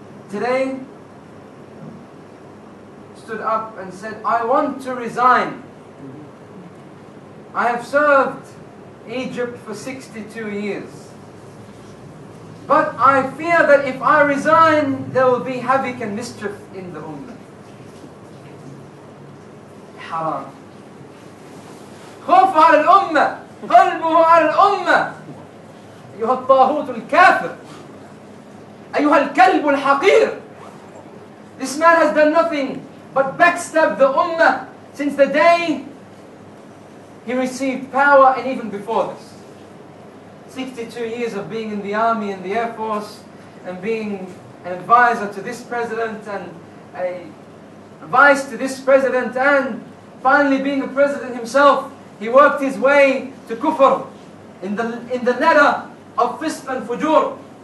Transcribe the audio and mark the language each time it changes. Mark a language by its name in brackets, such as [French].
[English] Today, stood up and said, I want to resign. I have served Egypt for 62 years. But I fear that if I resign, there will be havoc and mischief in the ummah. [Arabic] خوف على الأمة، قلبه على الأمة. أيها الطاغوت الكافر، أيها الكلب الحقير. [English] This man has done nothing but backstab the ummah since the day he received power and even before this. 62 years of being in the army and the air force and being an advisor to this president and a vice to this president and finally being a president himself, he worked his way to kufr in the nether of fisq and fujur.